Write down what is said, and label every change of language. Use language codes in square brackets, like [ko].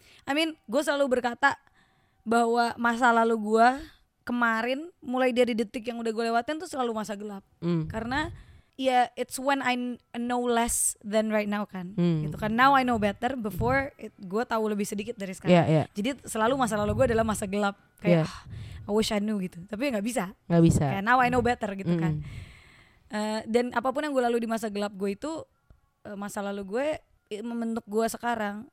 [en] I mean, [id] gue selalu berkata bahwa masa lalu gue kemarin mulai dari detik yang udah gue lewatin tuh selalu masa gelap. [en] Karena ya it's when I know less than right now kan. [id] Gitu kan. [en] Now I know better, before [id] gue tahu lebih sedikit dari sekarang. Jadi selalu masa lalu gue adalah masa gelap. Kayak [en] I wish I knew [id] gitu. Tapi gak bisa. Gak bisa. Kayak [en] now I know better [id] gitu kan. Dan apapun yang gue lalui di masa gelap gue itu, masa lalu gue membentuk gue sekarang.